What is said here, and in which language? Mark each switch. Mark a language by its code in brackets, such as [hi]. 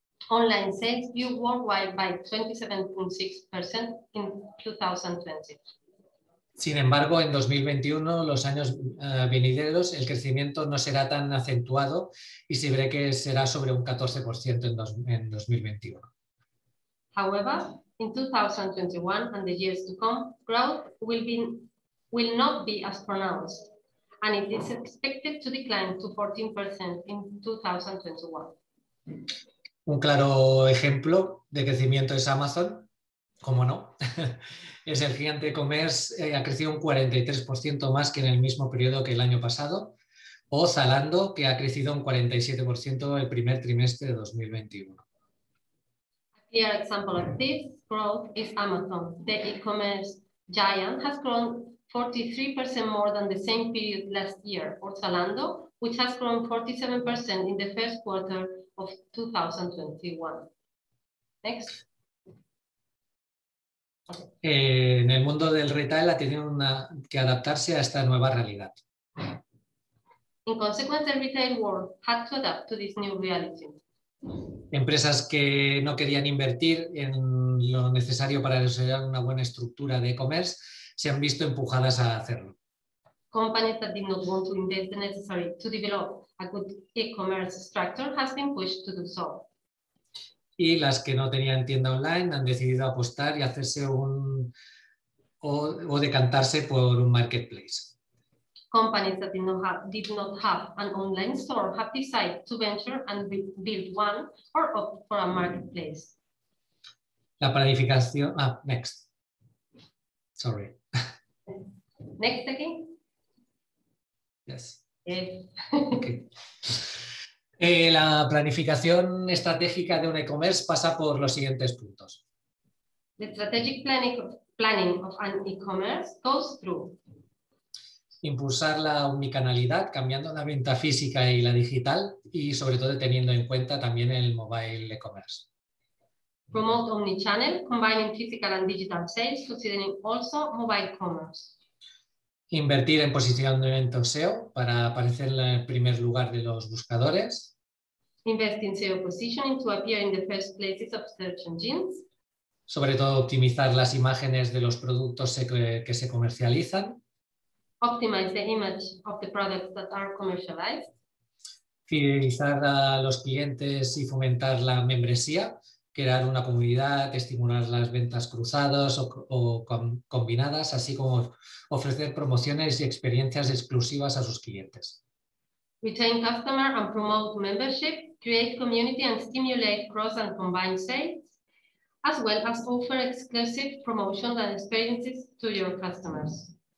[en] Online sales grew worldwide by 27.6% in 2020. [es] Sin embargo, en 2021, los años venideros, el crecimiento no será tan acentuado y se ve que será sobre un 14% en 2021. [en] However, in 2021 and the years to come, growth will not be as pronounced, and it is expected to decline to 14% in 2021. [es] Un claro ejemplo de crecimiento es Amazon, ¿cómo no? Es el gigante e-commerce, ha crecido un 43% más que en el mismo periodo que el año pasado, o Zalando, que ha crecido un 47% el primer trimestre de 2021. [en] A clear example of this growth is Amazon. The e-commerce giant has grown 43% more than the same period last year, or Zalando, which has grown 47% in the first quarter of 2021. Next. [es] En el mundo del retail ha tenido que adaptarse a esta nueva realidad. [en] In consequence, the retail world had to adapt to this new reality. [es] Empresas que no querían invertir en lo necesario para desarrollar una buena estructura de e-commerce se han visto empujadas a hacerlo. [en] Companies that did not want to invest the necessary to develop a good e-commerce structure has been pushed to do so. [es] Y las que no tenían tienda online han decidido apostar y hacerse decantarse por un marketplace. [en] Companies that did not have an online store have decided to venture and build one or opt for a marketplace. [es] La planificación. [en] Next. Sorry. Next again. Yes. Okay. [es] La planificación estratégica de un e-commerce pasa por los siguientes puntos. [en] The strategic planning of an e-commerce goes through. [es] Impulsar la omnicanalidad, cambiando la venta física y la digital, y sobre todo teniendo en cuenta también el mobile e-commerce. [en] Promote omnichannel, combining physical and digital sales, considering also mobile commerce. [es] Invertir en posicionamiento SEO para aparecer en el primer lugar de los buscadores. [en] Invest in SEO positioning to appear in the first places of search engines. [es] Sobre todo optimizar las imágenes de los productos que se comercializan. [en] Optimize the image of the products that are commercialized. [es] Fidelizar a los clientes y fomentar la membresía. Crear una comunidad, estimular las ventas cruzadas o combinadas, así como ofrecer promociones y experiencias exclusivas a sus clientes. [en] Retain customer and promote membership, create community and stimulate cross and combined sales, as well as offer exclusive promotions and experiences to your customers.